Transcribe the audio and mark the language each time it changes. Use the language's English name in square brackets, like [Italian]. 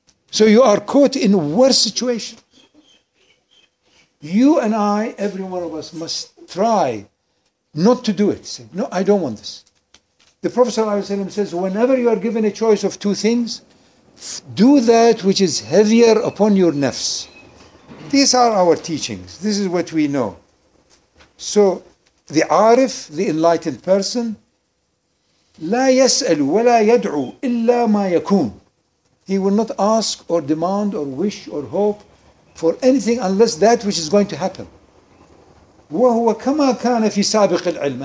[English] So you are caught in a worse situation. You and I, every one of us, must try not to do it. Say, no, I don't want this. The Prophet ﷺ says, whenever you are given a choice of two things, do that which is heavier upon your nafs. These are our teachings. This is what we know. So the arif, the enlightened person, [Arabic] لا يسأل ولا يدعو إلا ما يكون. [English] He will not ask or demand or wish or hope for anything unless that which is going to happen. [Arabic] وهو كما كان في سابق العلم.